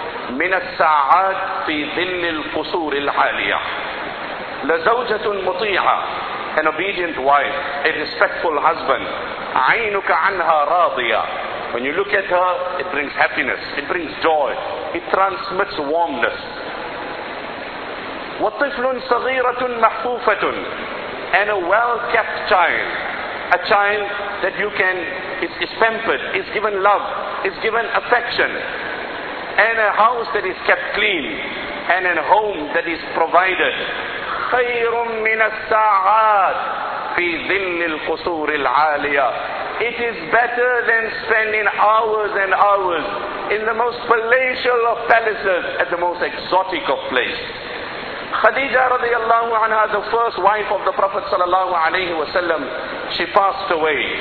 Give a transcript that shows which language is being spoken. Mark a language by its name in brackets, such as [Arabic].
[Arabic] من الساعات في ظل القصور العالية. لزوجة مطيعة, [English] an obedient wife, a respectful husband, [Arabic] عينك عنها راضية. [English] When you look at her, it brings happiness, it brings joy, it transmits warmness. [Arabic] وطفل صغيرة محفوفة, [English] and a well-kept child, a child that you can, is pampered, is given love, is given affection, and a house that is kept clean, and a home that is provided. [Arabic] خير من الساعات في ظل القصور العالية. [English] It is better than spending hours and hours in the most palatial of palaces at the most exotic of places. Khadija radiallahu anha, the first wife of the Prophet sallallahu alayhi wa sallam, she passed away.